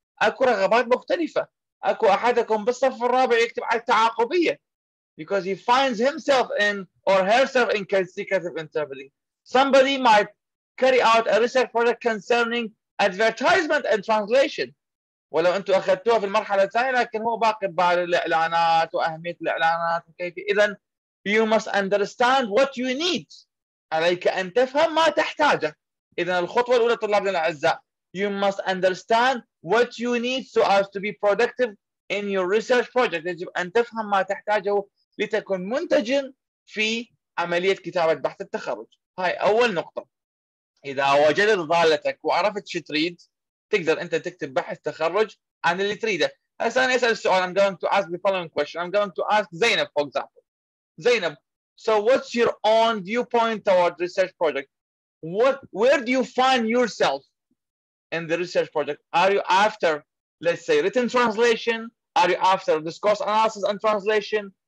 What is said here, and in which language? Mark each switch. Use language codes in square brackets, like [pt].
[ar] أكو رغبات مختلفة. أكو أحدكم بالصف الرابع يكتب على التعاقبية [en] because he finds himself in or herself in consecutive interpreting. Somebody might carry out a research project concerning advertisement and translation. [ar] ولو أنتوا أخذتوها في المرحلة الثانية، لكن هو باقي بعد الإعلانات وأهمية الإعلانات وكيف. إذن [en] you must understand what you need. [ar] عليك أن تفهم ما تحتاجه. إذا الخطوة الأولى طلابنا الأعزاء, [en] you must understand what you need so as to be productive in your research project. [ar] يجب أن تفهم ما تحتاجه لتكون منتج في عملية كتابة بحث التخرج. هاي أول نقطة. إذا وجدت ضالتك وعرفت شو تريد, تقدر أنت تكتب بحث تخرج عن اللي تريده. هسه أنا أسأل السؤال. [en] I'm going to ask the following question. I'm going to ask Zainab, for example. Zainab, so what's your own viewpoint toward research project? What, where do you find yourself in the research project? Are you after, let's say, written translation? Are you after discourse analysis and translation?